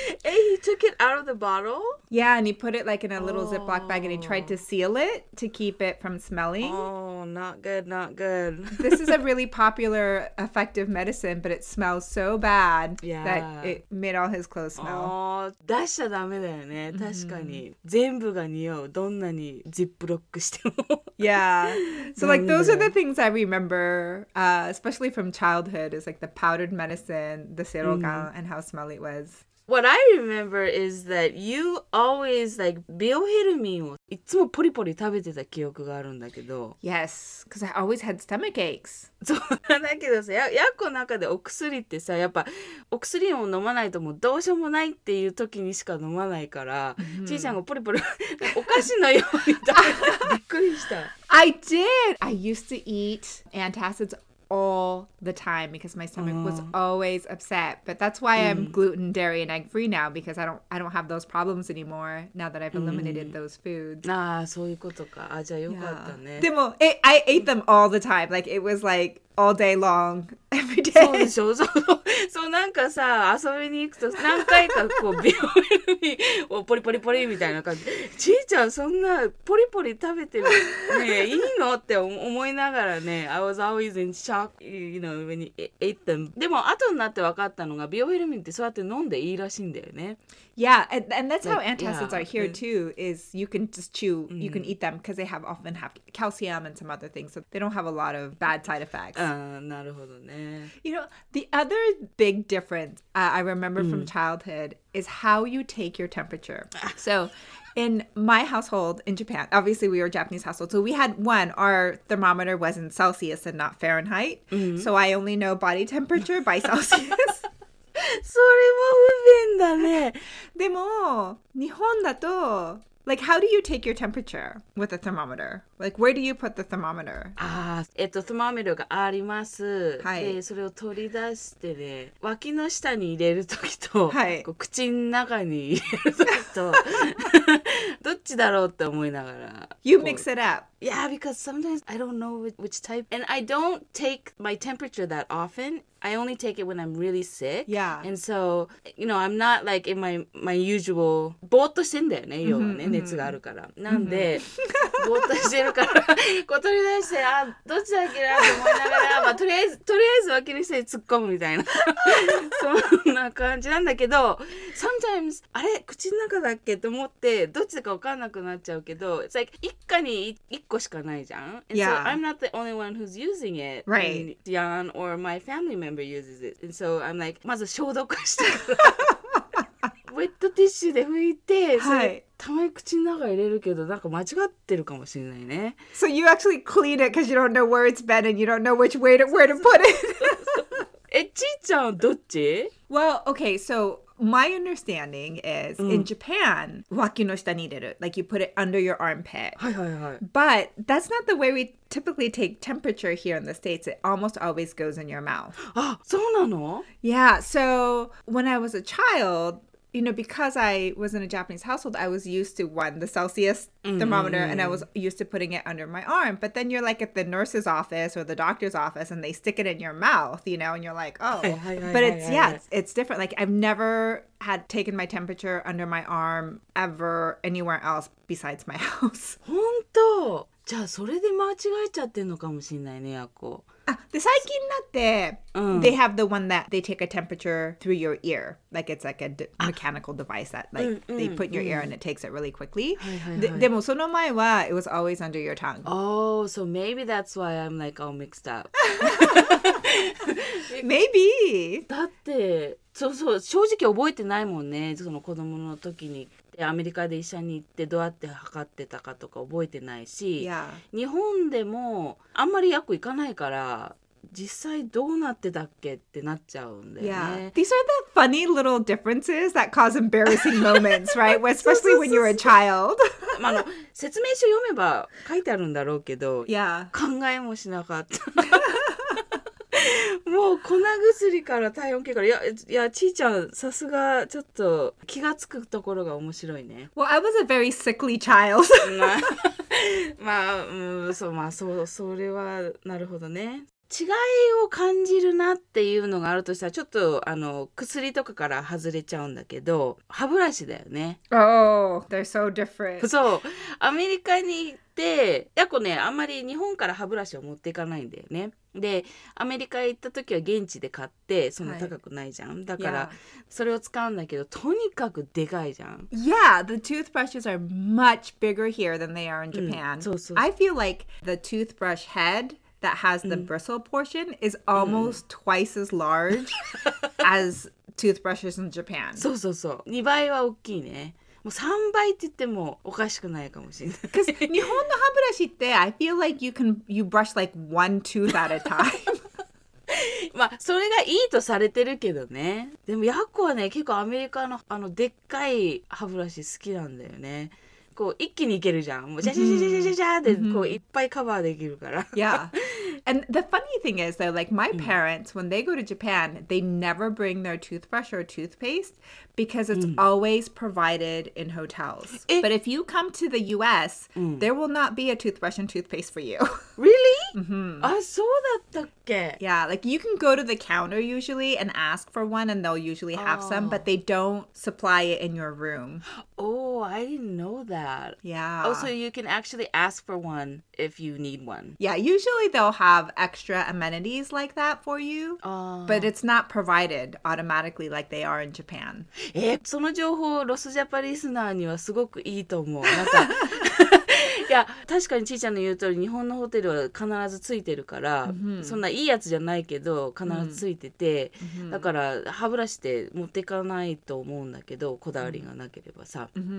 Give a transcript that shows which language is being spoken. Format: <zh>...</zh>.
<en>And he took it out of the bottle? Yeah, and he put it like in a little Ziploc bag and he tried to seal it to keep it from smelling. Oh, not good, not good. This is a really popular effective medicine, but it smells so bad that it made all his clothes smell.</en> <ja>Oh,出しちゃダメだよね。確かに。全部が匂う。どんなにジップロックしても。</ja> <en>Yeah. So like those are the things I remember, especially from childhood, is like the powdered medicine, the seirogan, and how smelly it was. What I remember is that you always like</en> <ja>ビオヘルミンをいつもポリポリ食べてた記憶があるんだけど。</ja> <en>Yes. Because I always had stomach aches.</en> <ja>そうだけどさ、やっこの中でお薬ってさ、やっぱお薬を飲まないともうどうしようもないっていう時にしか飲まないから、mm-hmm. ちいちゃんがポリポリお菓子のようにだびっくりした。</ja> <en>I did! I used to eat antacids all the time because my stomach was always upset. But that's why I'm gluten, dairy, and egg-free now because I don't have those problems anymore now that I've eliminated those foods.</en> <ja>ああ、そういうことか。あ、じゃあよかったね。でも、</ja> <en>I ate them all the time. Like, it was like all day long, every day.</en> <ja>そうでしょ。そう、そう、なんかさ、遊びに行くと何回かこう、ビオイルにポリポリポリみたいな感じ。ちいちゃん、そんなポリポリ食べてるね、いいのって思いながらね、</ja> <en>I was always in shock, you know, when you ate them.</en> <ja>でも、後になって分かったのが、ビオフェルミンってそうやって飲んでいいらしいんだよね。</ja> <en>Yeah, and that's how antacids are here too, is you can just chew, you can eat them because they often have calcium and some other things, so they don't have a lot of bad side effects.</en> <ja>なるほどね。</ja> <en>You know, the other big difference I remember from childhood is how you take your temperature. So in my household in Japan, obviously we were a Japanese household, so we had one, our thermometer was in Celsius and not Fahrenheit, so I only know body temperature by Celsius.</en> <ja>それも不便だね。でも日本だと、</ja> <en>like how do you take your temperature with a thermometer? Like where do you put the thermometer?</en> <ja>ああ、thermometer があります。はい。で、それを取り出してね、脇の下に入れる時と、はい、こう口の中に入れる時と、どっちだろうって思いながら。</ja> <en>You mix it up. Yeah, because sometimes I don't know which type, and I don't take my temperature that often. I only take it when I'm really sick. Yeah. And so, you know, I'm not like in my usual...</en> <ja>ぼーっとしてんだよね、要はね、熱があるから。なんで、ぼーっとしてるから、こう取り出して、あ、どっちだっけなと思いながら、まあ、とりあえず脇の下に突っ込むみたいな。そんな感じなんだけど、</ja> <en>sometimes,</en> <ja>あれ口の中だっけと思って、どっちだか分かんなくなっちゃうけど、</ja> <en>it's like,</en> <ja>一家に一個しかないじゃん。</ja> <en>Yeah. And so, I'm not the only one who's using it. Right. And Jan or my family. Member uses it. And so I'm like,</en> <ja>まず消毒してウェットティッシュで拭いて、はい、たまに口の中入れるけど、なんか間違ってるかもしれないね。</ja> <en>So you actually clean it because you don't know where it's been and you don't know which way to, where to put it.</en> <ja>え、ちいちゃんどっち?</ja> <en>Well, okay, so my understanding is in Japan,</en> <ja>脇の下に入れる。</ja> <en>Like you put it under your armpit.</en> <ja>はいはいはい。</ja> <en>But that's not the way we typically take temperature here in the States. It almost always goes in your mouth.</en> <ja>あ、そうなの?</ja> <en>Yeah, so when I was a child... You know, because I was in a Japanese household, I was used to, one, the Celsius thermometer, and I was used to putting it under my arm. But then you're, like, at the nurse's office or the doctor's office, and they stick it in your mouth, you know, and you're like, oh. But it's, yeah, it's different. Like, I've never had taken my temperature under my arm ever anywhere else besides my house.</en> <ja>本当? じゃあそれで間違えちゃってんのかもしれないね、やっこ。で最近になって、</ja> <en>they have the one that they take a temperature through your ear. Like it's like a mechanical device that like, they put in your ear and it takes it really quickly.</en> <ja>はいはい、はい、でもその前は</ja> <en>it was always under your tongue. Oh, so maybe that's why I'm like all mixed up. maybe.</en> <ja>だって、そうそう、正直覚えてないもんね。その子供の時に。アメリカで医者に行ってどうやって測ってたかとか覚えてないし、</ja> <en>yeah.</en> <ja>日本でもあんまり薬行かないから実際どうなってたっけってなっちゃうんだよね。</ja> <en>Yeah. These are the funny little differences that cause embarrassing moments, right? Especially when you're a child.</en> <ja>、まあ、の説明書読めば書いてあるんだろうけど、</ja> <en>yeah.</en> <ja>考えもしなかった。もう粉薬から体温計からいやちいちゃんさすがちょっと気がつくところが面白いね。</ja> <en>Well, I was a very sickly child.</en> <ja>まあ、そう、まあ、それはなるほどね。違いを感じるなっていうのがあるとしたらちょっとあの薬とかから外れちゃうんだけど歯ブラシだよね。</ja> <en>Oh, they're so different.</en> <ja>そう、アメリカに行ってやこね、あんまり日本から歯ブラシを持っていかないんだよね。で、アメリカ行った時は現地で買ってそんな高くないじゃん、はい、だからそれを使うんだけど、yeah. とにかくでかいじゃん。</ja> <en>Yeah, the toothbrushes are much bigger here than they are in Japan.</en> <ja>そう</ja> <en>I feel like the toothbrush headthat has the bristle portion is almost twice as large as toothbrushes in Japan.</en> <ja>そうそうそう。2倍は大きいね。もう3倍って言ってもおかしくないかもしれない。</ja> <en>Because</en> <ja>日本の歯ブラシって</ja> <en>I feel like you brush like one tooth at a time.</en> <ja>まあそれがいいとされてるけどね。でもヤッコはね結構アメリカのあのでっかい歯ブラシ好きなんだよね。こう一気にいけるじゃん。もうジャジャジャジャジャジャでこういっぱいカバーできるから。</ja> <en>Yeah. And the funny thing is though, like my parents, when they go to Japan, they never bring their toothbrush or toothpaste because it's always provided in hotels. But if you come to the U.S., there will not be a toothbrush and toothpaste for you. Really? Mm-hmm.</en> <ja>あ、そうだったっけ?</ja> <en>Yeah, like you can go to the counter usually and ask for one and they'll usually have some, but they don't supply it in your room. Oh, I didn't know that. Yeah. Also, you can actually ask for one if you need one. Yeah, usually they'll have extra amenities like that for you, but it's not provided automatically like they are in Japan.</en> <ja>その情報、ロスジャパリスナーにはすごくいいと思う。なんかいや確かにちーちゃんの言う通り日本のホテルは必ずついてるから、mm-hmm. そんないいやつじゃないけど必ずついてて、mm-hmm. だから歯ブラシって持ってかないと思うんだけどこだわりがなければさ、mm-hmm.</ja>